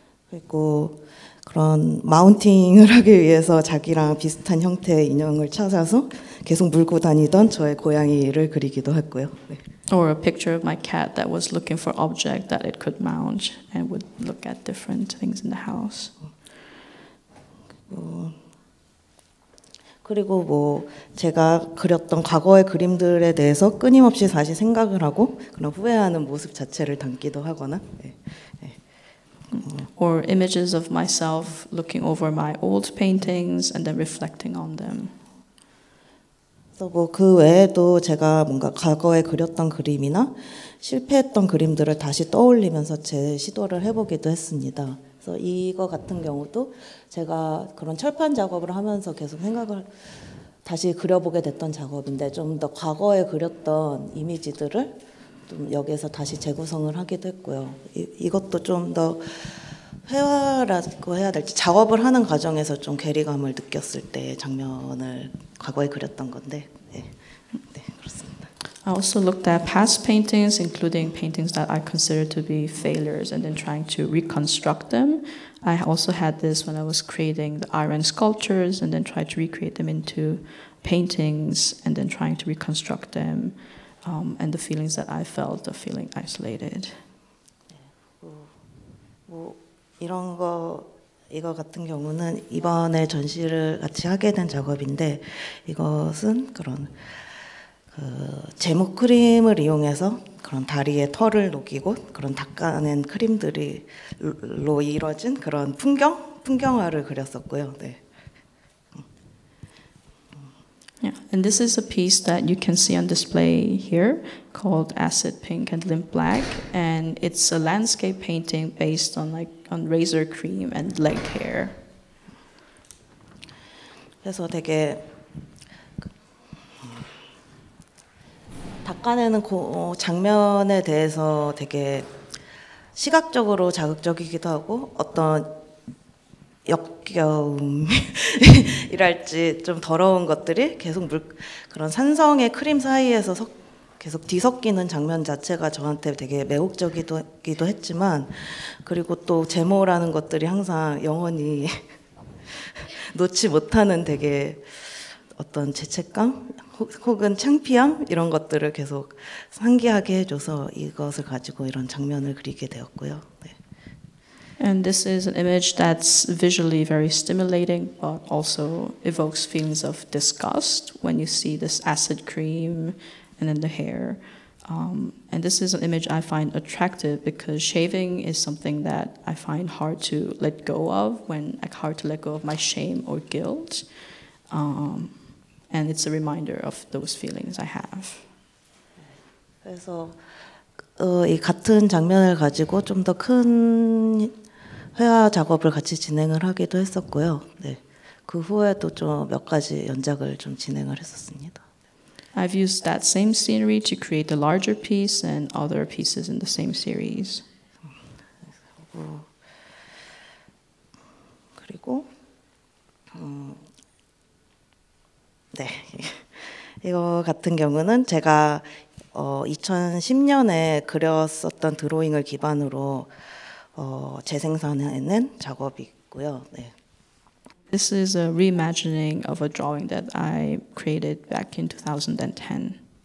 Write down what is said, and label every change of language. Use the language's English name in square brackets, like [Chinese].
[Korean] 그리고 그런 마운팅을 하기 위해서 자기랑 비슷한 형태의 인형을 찾아서 계속 물고 다니던 저의 고양이를 그리기도 했고요. 네. [English] Or a picture of my cat that was looking for object that it could mount and would look at different things in the house. [Korean] 그리고 뭐 제가 그렸던 과거의 그림들에 대해서 끊임없이 다시 생각을 하고 그런 후회하는 모습 자체를 담기도 하거나. 네. 네. [English] Or images of myself looking over my old paintings and then reflecting on them. [Korean] 또 그 외에도 제가 뭔가 과거에 그렸던 그림이나 실패했던 그림들을 다시 떠올리면서 제 시도를 해보기도 했습니다. 그래서 이거 같은 경우도 제가 그런 철판 작업을 하면서 계속 생각을 다시 그려보게 됐던 작업인데 좀 더 과거에 그렸던 이미지들을 좀 여기에서 다시 재구성을 하기도 했고요. 이것도 좀 더 회화라고 해야 될지 작업을 하는 과정에서 좀 괴리감을 느꼈을 때 장면을 과거에 그렸던 건데 네. 네, 그렇습니다. [English] I also looked at past paintings, including paintings that I consider to be failures, and then trying to reconstruct them. I also had this when I was creating the iron sculptures, and then tried to recreate them into paintings, and then trying to reconstruct them, and the feelings that I felt, the feeling isolated. [Korean] 이런 거 이거 같은 경우는 이번에 전시를 같이 하게 된 작업인데 이것은 그런 그 제목 크림을 이용해서 그런 다리에 털을 녹이고 그런 닦아낸 크림들이로 이루어진 그런 풍경화를 그렸었고요. 네. [English] Yeah. And this is a piece that you can see on display here called Acid Pink and Limp Black, and it's a landscape painting based on like on razor cream and leg hair. [Korean] 그래서 되게 닦아내는 장면에 대해서 되게 시각적으로 자극적이기도 하고 어떤 역겨움이랄지 좀 더러운 것들이 계속 물 그런 산성의 크림 사이에서 섞 계속 뒤섞이는 장면 자체가 저한테 되게 매혹적이기도 했지만 그리고 또 제모라는 것들이 항상 영원히 놓지 못하는 되게 어떤 죄책감 혹은 창피함 이런 것들을 계속 상기하게 해줘서 이것을 가지고 이런 장면을 그리게 되었고요. 네. [English] And this is an image that's visually very stimulating, but also evokes feelings of disgust when you see this acid cream and then the hair. And this is an image I find attractive because shaving is something that I find hard to let go of, when like, hard to let go of my shame or guilt. And it's a reminder of those feelings I have. [Korean] 그래서 이 같은 장면을 가지고 좀 더 큰 회화 작업을 같이 진행을 하기도 했었고요. 네. 그 후에도 좀 몇 가지 연작을 좀 진행을 했었습니다. [English] I've used that same scenery to create the larger piece and other pieces in the same series. [Korean] 그리고 네. 이거 같은 경우는 제가 2010년에 그렸었던 드로잉을 기반으로 재생산하는 작업이 있고요. 네. [English] This is a reimagining of a drawing that I created back in 2010.